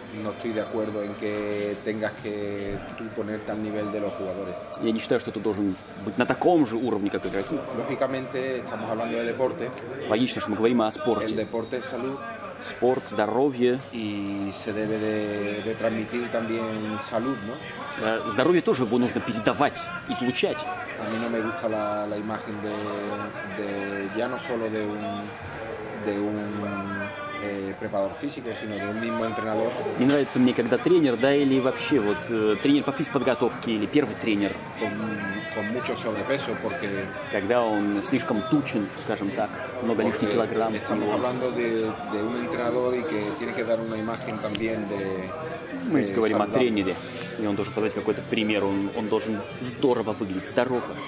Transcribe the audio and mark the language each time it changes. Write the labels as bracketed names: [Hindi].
[Spanish] No estoy de acuerdo en que tengas que tú ponerte al nivel de los jugadores. [Russian] Я не считаю, что ты должен быть на таком же уровне, как игроки. [Spanish] Лógicamente estamos hablando de deporte. [Russian] Логично, что мы говорим о спорте. [Spanish] El deporte es salud. [Russian] Спорт, здоровье. [Spanish] Y se debe de transmitir también salud, ¿no? [Russian] Здоровье тоже его нужно передавать, излучать. [Spanish] A mí no me gusta la imagen de ya no solo de un preparador físico, sino de un mismo entrenador. [Russian] Не нравится мне, когда тренер, да, или вообще вот тренер по физподготовке или первый тренер. [Spanish] Con mucho sobrepeso, porque. [Russian] Когда он слишком тучен, скажем так, много лишних килограмм. [Spanish] Estamos hablando de un entrenador y que tiene que dar una imagen también de. [Russian] Мы ведь говорим о тренере, и он должен подать какой-то пример. Он должен здорово выглядеть, здорово.